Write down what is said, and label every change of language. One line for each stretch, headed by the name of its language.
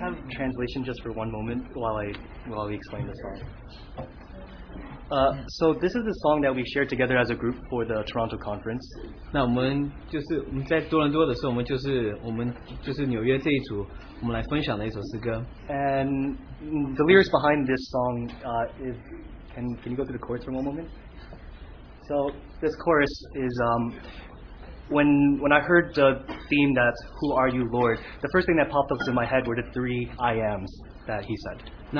English: Translation just for one moment while we explain the song. So this is the song that we shared together as a group for the Toronto conference.
Chinese: 那我们在多伦多的时候，我们就是纽约这一组，我们来分享的一首诗歌。
English: And the lyrics behind this song is can you go to the chorus for one moment? So this chorus is When I heard the theme that Who Are You, Lord, the first thing that popped up in my head were the three I Ams that he said.